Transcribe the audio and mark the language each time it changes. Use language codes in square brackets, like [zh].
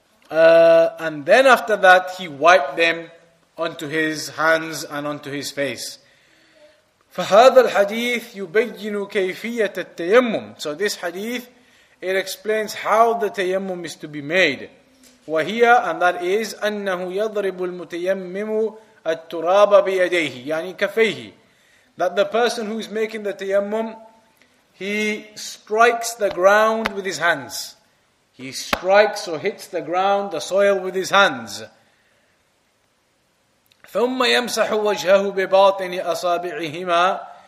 [en] And then after that, he wiped them onto his hands and onto his face. [ar] فهذا الحديث يبين كيفية التيمم. [en] So this hadith, it explains how the tayammum is to be made. [ar] وهي, [en] and that is, [ar] أنه يضرب المتيمم التراب بيديه, يعني كفيه. [en] That the person who is making the tayammum, he strikes the ground with his hands. He strikes or hits the ground, the soil, with his hands. [ar] ثُمَّ يَمْسَحُ وَجْهَهُ بِبَاطِنِ أَصَابِعِهِمَا.